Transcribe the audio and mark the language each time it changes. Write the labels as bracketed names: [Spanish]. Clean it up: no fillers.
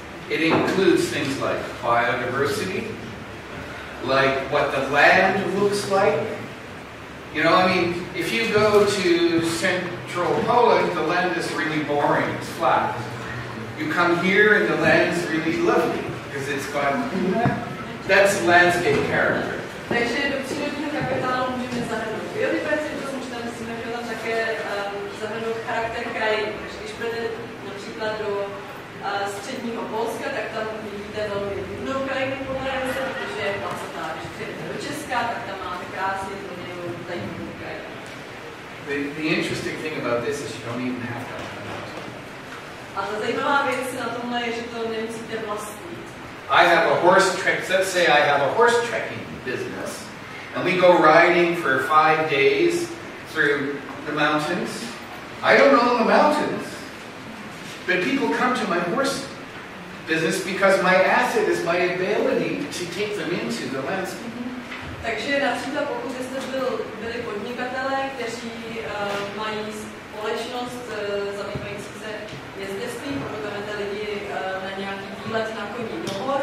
[English] It includes things like biodiversity, like what the land looks like. You know, I mean, if you go to central Poland, the land is really boring, it's flat. You come here and the land is really lovely. Because it's got that's landscape character. [Czech] Takže do přírodního kapitálu můžeme zahrnout biodiverzitu, protože už tam musíme chvíli také zahrnout charakter krajiny. Takže když půjdete například do středního Polska, tak tam vidíte velmi divnou krajinu podle mě, protože je placatá. Když přijdete do Česka, tak tam máte krásně zvolněnou zajímavou krajinu. [English] The interesting thing about this is you don't even have to. [Czech] A ta zajímavá věc na tomhle je, že to nemusíte vlastnit. [English] I have a horse trek. Let's say I have a horse trekking business, and we go riding for 5 days through the mountains. I don't own the mountains, but people come to my horse business because my asset is my ability to take them into the landscape. [Czech] Takže například, pokud jste byli podnikatelé, kteří mají společnost zabývající se jezdectvím, pokud lidi na nějaký výlet na koni.